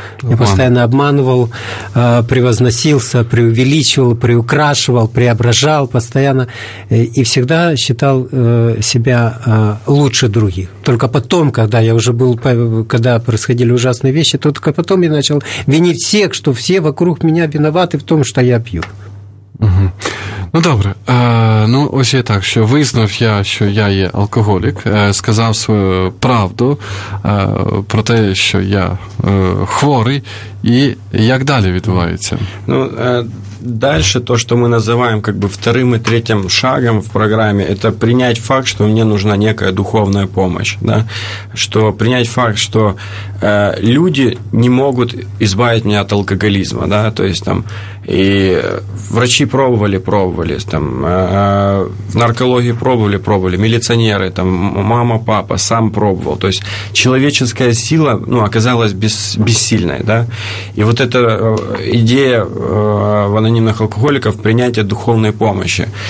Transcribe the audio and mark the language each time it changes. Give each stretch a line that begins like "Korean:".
Russian: Я постоянно обманывал, превозносился, преувеличивал, приукрашивал, преображал постоянно, и всегда считал себя лучше других. Только потом, когда я уже был, когда происходили ужасные вещи, то только потом я начал винить всех, что все вокруг меня виноваты в том, что я пью.
Ukrainian: Угу. Ну, добре. Ну, ось я так, що визнав я, що я є алкоголік, сказав свою правду про те, що я хворий, і як далі відбувається?
Russian: Ну, дальше то, что мы называем как бы вторым и третьим шагом в программе, это принять факт, что мне нужна некая духовная помощь, да, что принять факт, что люди не могут избавить меня от алкоголизма, да, то есть там и врачи пробовали, там в наркологии пробовали, милиционеры, там мама, папа, сам пробовал, то есть человеческая сила, ну, оказалась бессильной, да, и вот эта идея в анонимных алкоголиков принятие духовной помощи.